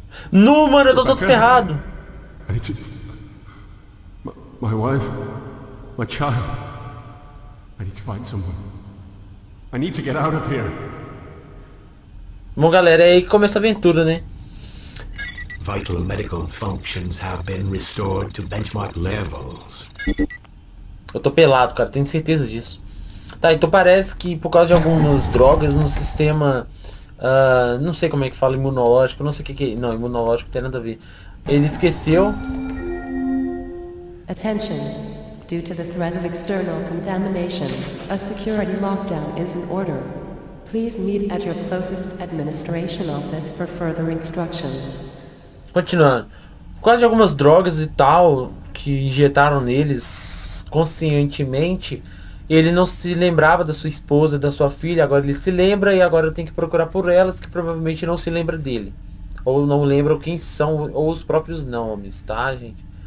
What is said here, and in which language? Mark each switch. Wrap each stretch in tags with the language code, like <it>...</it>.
<pt>Não, mano, eu tô todo ferrado.</pt> <en>My wife, my child. I need to find someone. I need to get out of here.</en> <pt>Bom, galera, é aí que começa a aventura, né?</pt> <en>Vital medical functions have been restored to benchmark levels.</en> <pt>Eu tô pelado, cara, tenho certeza disso. Tá, então parece que por causa de algumas drogas no sistema. Não sei como é que fala, imunológico, não sei o que que é. Não, imunológico não tem nada a ver. Ele esqueceu.</pt> <en>Attention. Due to the threat of external contamination, a security lockdown is in order. Please meet at your closest administration office for further instructions.</en> <pt>Continuando. Por causa de algumas drogas e tal que injetaram neles conscientemente, ele não se lembrava da sua esposa, da sua filha, agora ele se lembra e agora tem que procurar por elas que provavelmente não se lembra dele. Ou não lembram quem são, ou os próprios nomes, tá, gente?</pt>